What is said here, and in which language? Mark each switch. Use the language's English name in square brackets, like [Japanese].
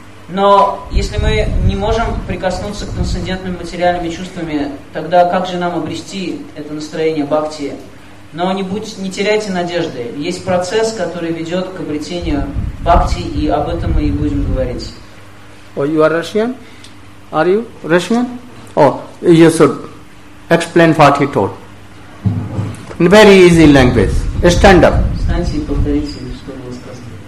[Russian] Но если мы не можем прикоснуться к трансцендентным материальными чувствами, тогда как же нам обрести это настроение бхакти? Но не теряйте надежды. Есть процесс, который ведет к обретению бхакти, и об этом мы и будем говорить. [English] Oh, you are Russian? Are you Russian? Oh, you should explain what he told. In very easy language. Stand up. [Russian] Встаньте и повторите, что было сказано.